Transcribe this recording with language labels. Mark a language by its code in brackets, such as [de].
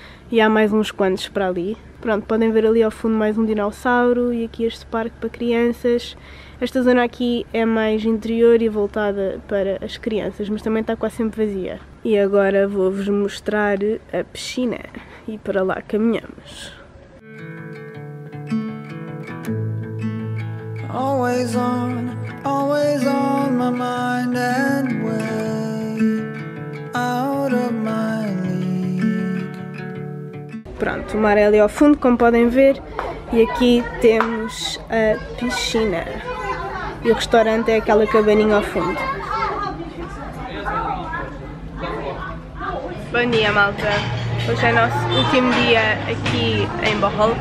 [pt] E há mais uns quantos para ali. Pronto, podem ver ali ao fundo mais um dinossauro e aqui este parque para crianças. Esta zona aqui é mais interior e voltada para as crianças, mas também está quase sempre vazia. E agora vou-vos mostrar a piscina e para lá caminhamos. [en] Always on, always on my mind and way out of my league. [pt] Pronto, o mar é ali ao fundo, como podem ver, e aqui temos a piscina. E o restaurante é aquela cabaninha ao fundo. Bom dia, malta. Hoje é o nosso último dia aqui em Bohol.